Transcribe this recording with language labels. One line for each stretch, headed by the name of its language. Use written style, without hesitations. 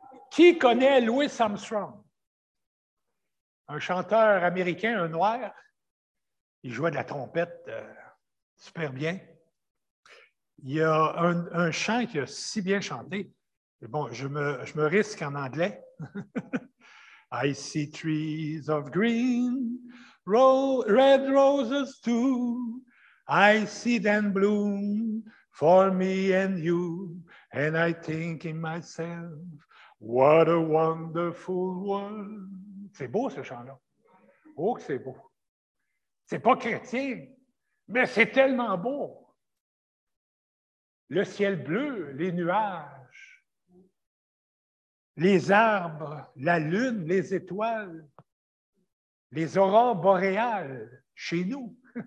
French: Qui connaît Louis Armstrong? un chanteur américain, un noir. Il jouait de la trompette super bien. Il y a un chant qui a si bien chanté. Et bon, je me risque en anglais.
English: I see trees of green, red roses too. I see them bloom for me and you. And I think in myself, what a wonderful world.
French: C'est beau ce chant-là. Oh, que c'est beau. C'est pas chrétien, mais c'est tellement beau. Le ciel bleu, les nuages, les arbres, la lune, les étoiles, les aurores boréales chez nous.